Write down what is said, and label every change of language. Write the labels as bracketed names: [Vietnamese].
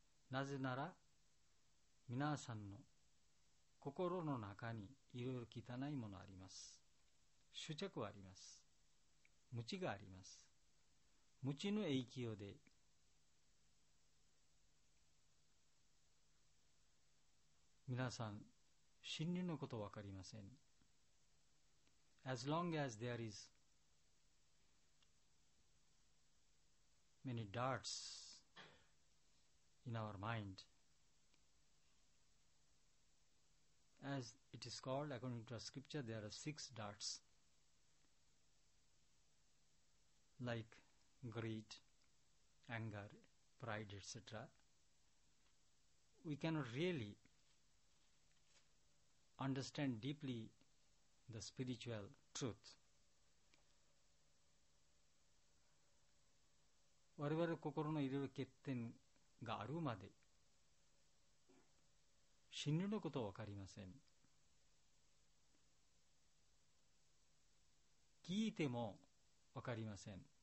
[Japanese] なぜなら皆さんの心の中にいろいろ汚いものあります。執着はあります。無知があります。無知の影響で皆さん真理のことわかりません。 [English] As long as there is many doubts in our mind, as it is called according to scripture, there are six doubts like greed, anger, pride, etc. We cannot really understand deeply the spiritual truth. [Japanese] 我々心のいろいろ欠点があるまで真理のことは分かりません。聞いても分かりません。